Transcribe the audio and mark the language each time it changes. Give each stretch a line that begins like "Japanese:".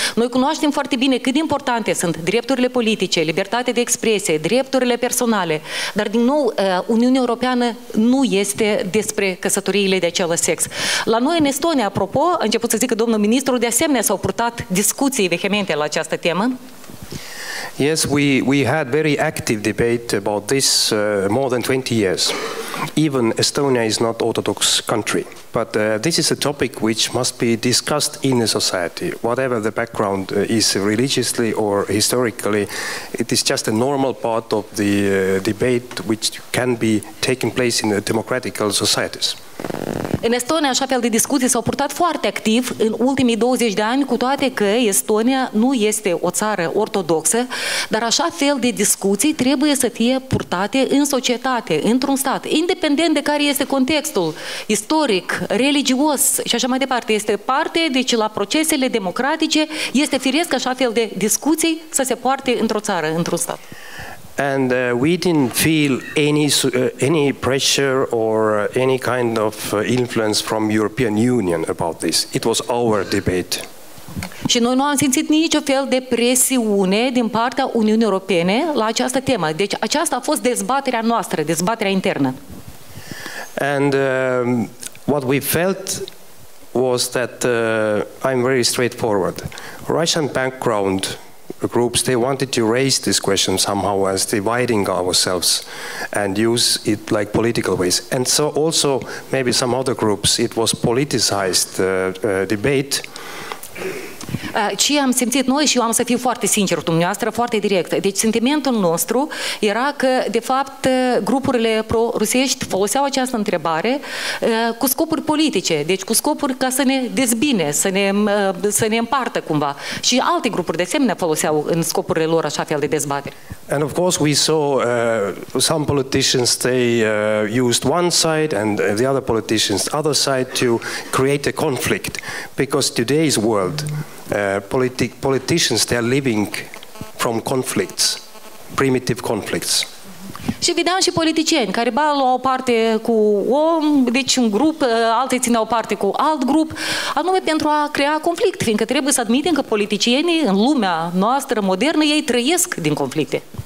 Romanian: Noi cunoaștem foarte bine cât de importante sunt drepturile politice, libertatea de expresie, drepturile personale. Dar, din nou, Uniunea Europeană nu este despre căsătoriile de același sex. La noi, în Estonia, apropo, a început să zic că domnul ministru, de asemenea, s-au purtat discuții vehemente la această temă.
English: Yes, we had very active debate about this more than 20 years. Even Estonia is not Orthodox country. But this is a topic which must be discussed in a society. Whatever the background is religiously or historically, it is just a normal part of the debate which can be taken place in democratic societies.
Romanian: În Estonia, așa fel de discuții s-au purtat foarte activ în ultimii 20 de ani, cu toate că Estonia nu este o țară ortodoxă, dar așa fel de discuții trebuie să fie purtate în societate, într-un stat, independent de care este contextul istoric, religios și așa mai departe. Este parte, deci la procesele democratice, este firesc așa fel de discuții să se poarte într-o țară, într-un stat.
English: And we didn't feel any pressure or any kind of influence from European Union about this. It was our debate.
Romanian: Și noi nu am simțit nicio fel de presiune din partea Uniunii Europene la această temă. Deci aceasta a fost dezbaterea noastră, dezbaterea internă.
English: And what we felt was that I'm very straightforward. Russian background groups, they wanted to raise this question somehow as dividing ourselves and use it like political ways. And so also maybe some other groups, it was politicized debate.
Romanian: Ce am simțit noi, și eu am să fiu foarte sincer cu dumneavoastră, foarte direct. Deci sentimentul nostru era că, de fapt, grupurile pro-rusești foloseau această întrebare cu scopuri politice, deci cu scopuri ca să ne dezbine, să ne împartă cumva. Și alte grupuri de asemenea foloseau în scopurile lor așa fel de dezbatere.
English: And of course we saw some politicians, they used one side and the other politicians other side to create a conflict, because today's world, politicians, they are living from conflicts, primitive conflicts.
Romanian: Și vedeam și politicieni care ba luau parte cu om, deci un grup, alții țineau parte cu alt grup, anume pentru a crea conflict, fiindcă trebuie să admitem că politicienii în lumea noastră modernă, ei trăiesc din conflicte.